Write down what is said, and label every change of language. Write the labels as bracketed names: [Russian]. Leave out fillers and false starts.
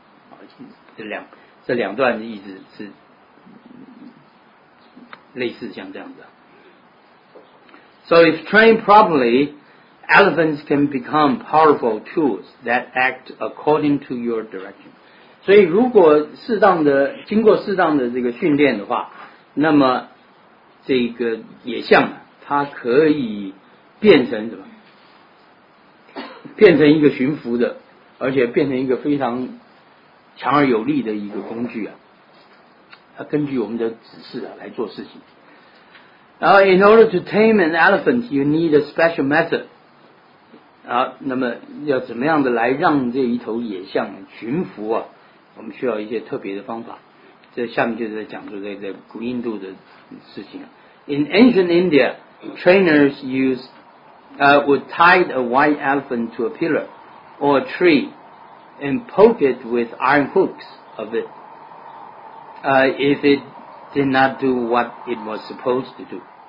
[Chinese] 啊，这两段的意思是类似像这样的。 [English] So if trained properly, elephants can become powerful tools that act according to your direction. [Chinese] 所以如果经过适当的这个训练的话，那么这个野象它可以变成什么？变成一个驯服的，而且变成一个非常强而有力的一个工具啊，它根据我们的指示啊来做事情。 [English] Now, in order to tame an elephant, you need a special method. [Chinese] 啊，那么要怎么样的来让这一头野象驯服啊？我们需要一些特别的方法。这下面就是在讲述在古印度的事情啊。 [English] In ancient India, trainers would tie a white elephant to a pillar or a tree and poke it with iron hooks of it. If it did not do what it was supposed to do.